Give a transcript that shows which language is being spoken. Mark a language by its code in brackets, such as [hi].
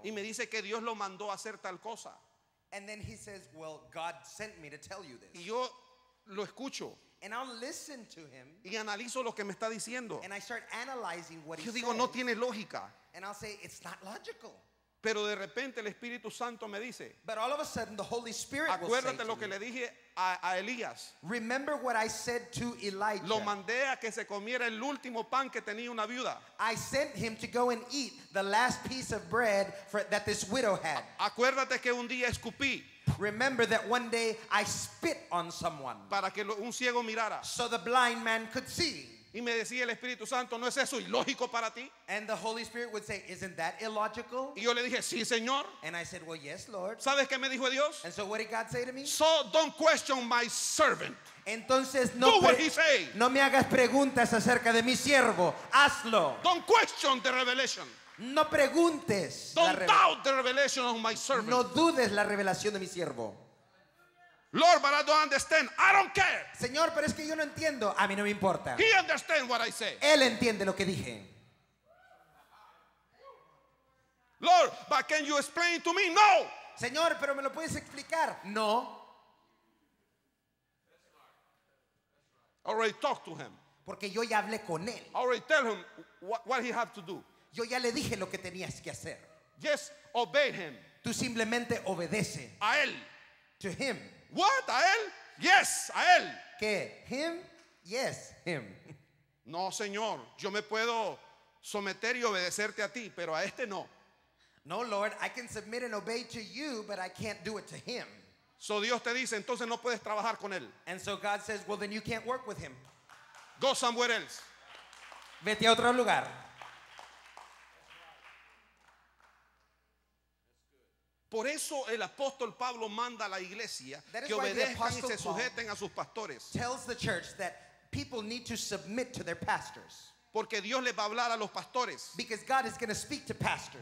[es] Y me dice que Dios lo mandó a hacer tal cosa. [en] And then he says, well, God sent me to tell you this. [es] Y yo lo escucho. [en] And I'll listen to him. [es] Y analizo lo que me está diciendo. [en] And I start analyzing what [es] yo [en] he [es] digo, [en] says. [es] No tiene lógica. [en] And I'll say, it's not logical. [es] Pero de repente el Espíritu Santo me dice, [en] but all of a sudden the Holy Spirit [es] acuérdate lo que [en] you. [es] Le dije a Elías. [en] Remember what I said to Elijah. [es] Lo mandé a que se comiera el último pan que tenía una viuda. [en] I sent him to go and eat the last piece of bread for, that this widow had. [es] Acuérdate que un día escupí. [en] Remember that one day I spit on someone. [es] Para que un ciego mirara. [en] So the blind man could see. [es] Y me decía el Espíritu Santo, ¿no es eso ilógico para ti? [en] And the Holy Spirit would say, isn't that illogical? [es] Y yo le dije, sí, Señor. [en] And I said, well, yes, Lord. [es] ¿Sabes qué me dijo Dios? [en] And so what did God say to me? So don't question my servant. [es] Entonces, [en] do [es] no [en] what he say. [es] No me hagas preguntas acerca de mi siervo. Hazlo. [en] Don't question the revelation. [es] No preguntes. [en] Don't doubt the revelation of my servant. [es] No dudes la revelación de mi siervo. [en] Lord, but I don't understand. I don't care. [es] Señor, pero es que yo no entiendo. A mí no me importa. [en] He understands what I say. [es] Él entiende lo que dije. [en] Lord, but can you explain to me? No. [es] Señor, pero me lo puedes explicar. No. [en] I already talked to him. [es] Porque yo ya hablé con él. [en] I already tell him what he have to do. [es] Yo ya le dije lo que tenías que hacer. [en] Just obey him. [es] Tú simplemente obedece. A él. [en] To him. What? [es] A él? [en] Yes, [es] a él. ¿Qué? [en] Him? Yes, him. [es] No, señor, yo me puedo someter y obedecerte a ti, pero a este no. [en] No, Lord, I can submit and obey to you, but I can't do it to him. [es] So Dios te dice, entonces no puedes trabajar con él. [en] And so God says, well, then you can't work with him. Go somewhere else. [es] Vete a otro lugar. Por eso el apóstol Pablo manda a la iglesia que obedezcan y se sujeten a sus pastores. [en] Tells the church that people need to submit to their pastors. [es] Porque Dios les va a hablar a los pastores. [en] Because God is going to speak to pastors.